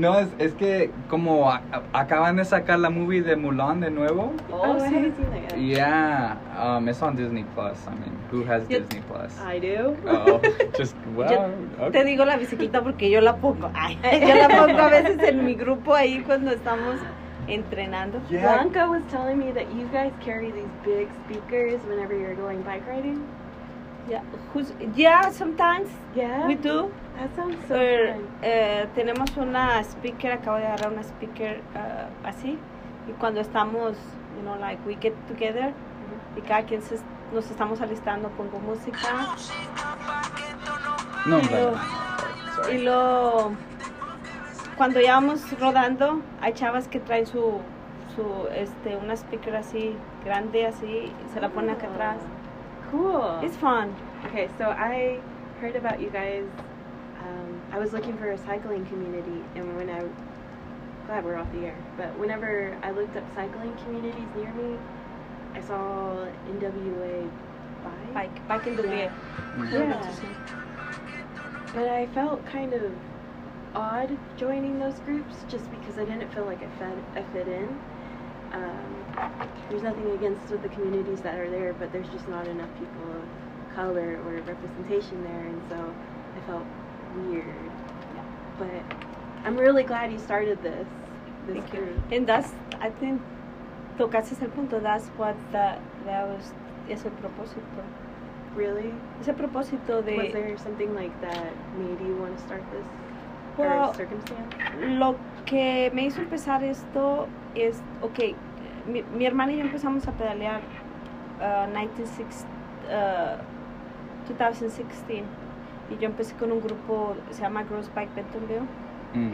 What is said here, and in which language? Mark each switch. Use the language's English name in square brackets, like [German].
[Spanish] No, es que como acaban de sacar la movie de Mulan de nuevo. Oh, sí. [English] Seen it, yeah. Yeah, it's on Disney Plus. I mean, who has Disney Plus? I do. Oh, just, well, okay. [Spanish] Te digo la bicicleta porque yo la pongo. Ay, yo la pongo a veces en mi grupo ahí cuando estamos entrenando. [English] Yeah. Blanca was telling me that you guys carry these big speakers whenever you're going bike riding. Yeah, sometimes. We do. That sounds so fun. [Spanish] Tenemos una speaker, acabo de agarrar una speaker así. Y cuando estamos, [English] you know, like we get together, [Spanish] mm-hmm. y cada quien se, nos estamos alistando, pongo música. No, pero. Y lo. Cuando ya vamos rodando, hay chavas que traen su este, una speaker así, grande así, y se la pone acá atrás. [English] Cool. It's fun. Okay, so I heard about you guys. I was looking for a cycling community, and when I, glad we're off the air, but whenever I looked up cycling communities near me, I saw NWA Bike. Bike NWA. Yeah. But I felt kind of odd joining those groups just because I didn't feel like I fit in. There's nothing against with the communities that are there, but there's just not enough people of color or representation there, and so I felt weird. Yeah. But I'm really glad you started this Thank group. You. And that's, I think, [Spanish] tocaste el punto, [English] that's what that was, [Spanish] es el propósito. [English] Really? [Spanish] Es el propósito de... [English] Was there something like that made you want to start this? Well, or a circumstance? [Spanish] Lo que me hizo empezar esto es, okay, mi hermana y yo empezamos a pedalear 2016, y yo empecé con un grupo, se llama Girls Bike Bentonville. Mm-hmm.